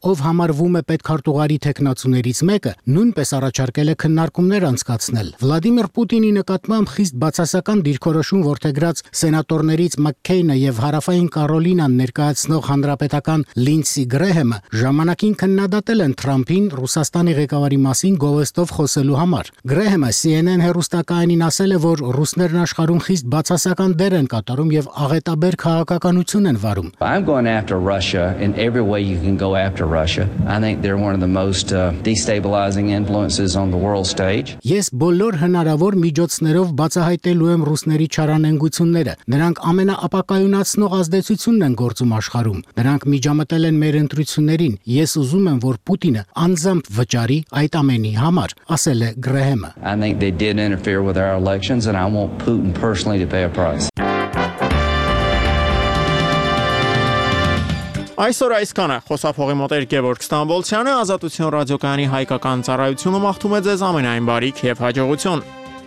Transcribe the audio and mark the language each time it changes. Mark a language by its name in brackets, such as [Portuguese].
[Armenian] ով համարվում է պետքարտուղարի թեկնածուներից մեկը, նույնպես առաջարկել է քննարկումներ անցկացնել։ Վլադիմիր Պուտինի նկատմամբ խիստ բացասական դիրքորոշում որդեգրած սենատորներից Մաքքեյնը եւ հարավային Կարոլինան ներկայացնող հանրապետական Լինդսի Գրեհեմը ժամանակին քննադատել են Թրամփին Ռուսաստանի ղեկավարի մասին գովեստով խոսելու համար։ Գրեհեմը CNN հեռուստակայանին ասել է, որ ռուսներն աշխարհում խիստ բացասական դեր են կատարում եւ աղետաբեր քաղաքականություն են վարում։ [English] I'm going after Russia in every way you can go after Russia. I think they're one of the most destabilizing influences on the world stage. [Armenian] Ես բոլոր հնարավոր միջոցներով բացահայտելու եմ ռուսների չարանենգությունները։ Նրանք ամենաապակայունացնող ազդեցությունն են գործում աշխարհում։ Նրանք միջամտել են մեր ընտրություններին։ Ես ուզում եմ, որ Պուտինը անձամբ վճարի այդ ամենի համար, ասել է Գրեհեմը։ [English] I think they did interfere with our elections and I want Putin personally to pay a price. [Armenian] Այսօր այսքան է, խոսափողի մոտ էր Գևորգ Ստամբոլցյանը, Ազատություն ռադիոկայանի հայկական ծառայությունը մաղթում է ձեզ ամենայն բարիք և հաջողություն։